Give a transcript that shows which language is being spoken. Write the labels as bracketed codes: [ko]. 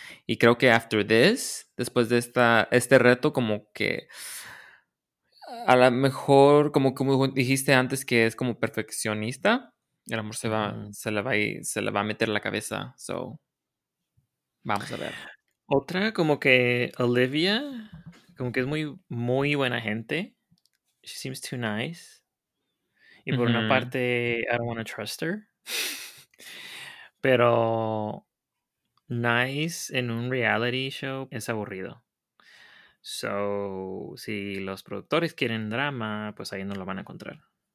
[es] Y creo que [en] after this, [es] después de este reto, como que a lo mejor, como dijiste antes, que es como perfeccionista, el amor se le va a meter en la cabeza. So, vamos a ver. Otra, como que Olivia, como que es muy, muy buena gente. [en] She seems too nice. [es] Y por una parte, [en] I don't want to trust her. [es] Pero nice en un reality show es aburrido. So, si los productores quieren drama, pues ahí no lo van a encontrar.